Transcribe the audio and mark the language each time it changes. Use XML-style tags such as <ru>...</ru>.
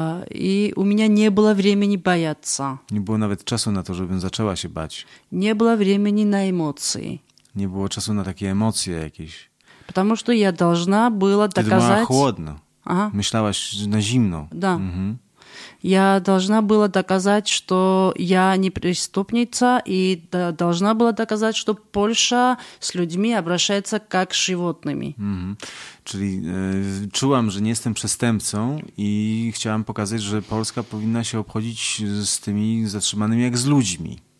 <pl>I u mnie nie było</pl> <ru>времени бояться.</ru> <pl>Nie było nawet czasu na to, żebym zaczęła się bać. Nie było</pl> <ru>времени</ru> <pl>na emocje. Nie było czasu na takie emocje jakieś.</pl> <ru>Потому что я должна была доказать.</ru> <pl>Ty była chłodna. Myślałaś na zimno.</pl> <ru>Da. Я должна была доказать, что я не преступница, и должна была доказать, что Польша с людьми обращается как с животными.</ru> <pl>Czyli czułam, że nie jestem przestępcą i chciałam pokazać, że Polska powinna się obchodzić z tymi zatrzymanymi jak z ludźmi.</pl>